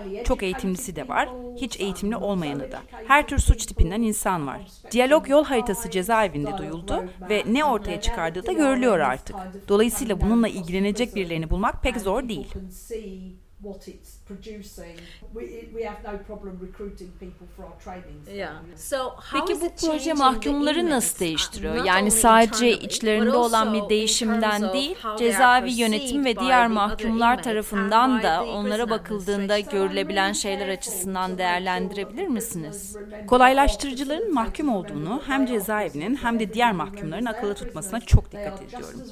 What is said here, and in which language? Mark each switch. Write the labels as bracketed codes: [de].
[tr] Çok eğitimlisi de var, hiç eğitimli olmayanı da. Her tür suç tipinden insan var. Diyalog yol haritası cezaevinde duyuldu ve ne ortaya çıkardığı da görülüyor artık. Dolayısıyla bununla ilgilenecek birilerini bulmak pek zor değil. [en] What it's producing. We have no problem recruiting people for our trainings. So how [tr] peki bu proje mahkumları nasıl değiştiriyor? Yani sadece içlerinde olan bir değişimden değil, cezaevi yönetim ve diğer mahkumlar tarafından da onlara bakıldığında görülebilen şeyler açısından değerlendirebilir misiniz? Kolaylaştırıcıların mahkum olduğunu hem cezaevinin hem de diğer mahkumların akılda tutmasına çok dikkat ediyorum.